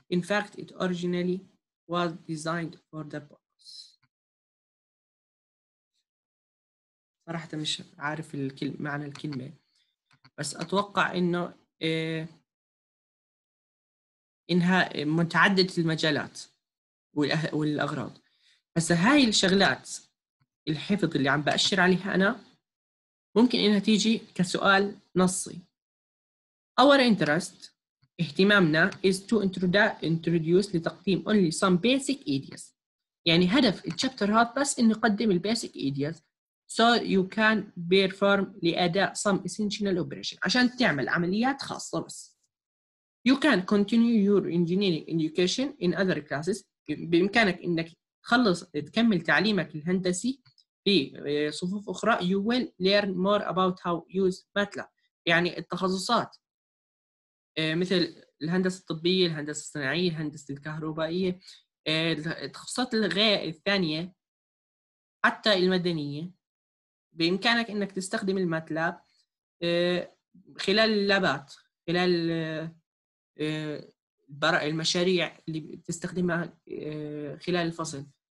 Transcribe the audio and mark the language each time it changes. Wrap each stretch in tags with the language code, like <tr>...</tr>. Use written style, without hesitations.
<en>In fact, it originally was designed for the</en> <ar>صراحة مش عارف الكلمة معنى الكلمة بس أتوقع إنه إنها متعددة المجالات والأغراض. بس هاي الشغلات الحفظ اللي عم بأشر عليها أنا ممكن إنها تيجي كسؤال نصي.</ar> <en>Our interest</en> <ar>اهتمامنا</ar> <en>is to introduce</en> <ar>لتقديم</ar> <en>only some basic ideas.</en> <ar>يعني هدف الشابتر هذا بس إنه يقدم البيسك ايدياز</ar> <en>so you can perform</en> <ar>لأداء</ar> <en>some essential operation</en> <ar>عشان تعمل عمليات خاصة بس.</ar> <en>You can continue your engineering education in other classes.</en> <ar>بإمكانك إنك تخلص تكمل تعليمك الهندسي في صفوف أخرى.</ar> <en>You will learn more about how use MATLAB.</en> <ar>يعني التخصصات مثل الهندسة الطبية، الهندسة الصناعية، الهندسة الكهربائية، التخصصات الثانية حتى المدنية بإمكانك إنك تستخدم الماتلاب خلال اللابات، خلال المشاريع اللي بتستخدمها خلال الفصل.</ar>